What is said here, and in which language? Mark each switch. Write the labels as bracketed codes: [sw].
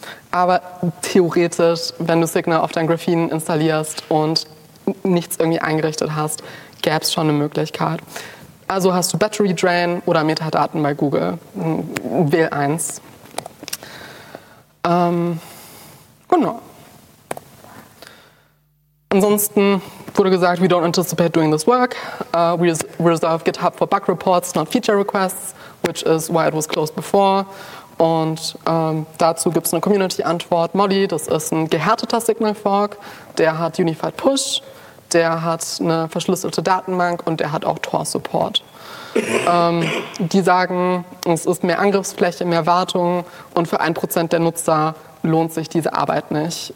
[de] Aber theoretisch, wenn du Signal auf dein Graphene installierst und nichts irgendwie eingerichtet hast, gäbe es schon eine Möglichkeit. Also hast du Battery Drain oder Metadaten bei Google. Wähl eins. Genau. Ansonsten wurde gesagt, [en] we don't anticipate doing this work. We reserve GitHub for bug reports, not feature requests, which is why it was closed before. [de] Und dazu gibt es eine Community-Antwort. Molly, das ist ein gehärteter Signal-Fork. Der hat Unified Push, der hat eine verschlüsselte Datenbank und der hat auch Tor-Support. Die sagen, es ist mehr Angriffsfläche, mehr Wartung und für 1% der Nutzer lohnt sich diese Arbeit nicht.